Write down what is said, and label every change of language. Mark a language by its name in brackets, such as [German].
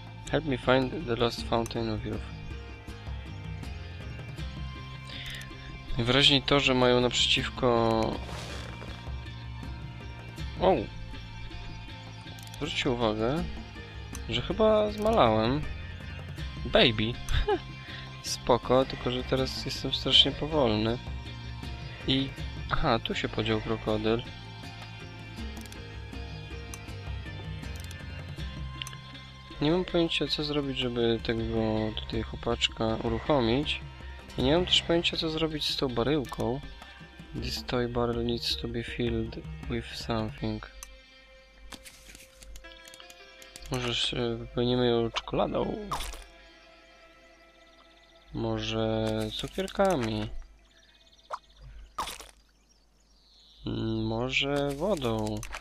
[English] Help me find the lost fountain of youth. [Polish] Najwyraźniej to, że mają naprzeciwko... Wow! Zwróćcie uwagę, że chyba zmalałem. Baby! Spoko, tylko że teraz jestem strasznie powolny. I... Aha, tu się podział krokodyl. Nie mam pojęcia, co zrobić, żeby tego tutaj chłopaczka uruchomić. I nie mam też pojęcia, co zrobić z tą baryłką. [English] This toy barrel needs to be filled with something. [Polish] Może wypełnimy ją czekoladą? Może cukierkami? Może wodą?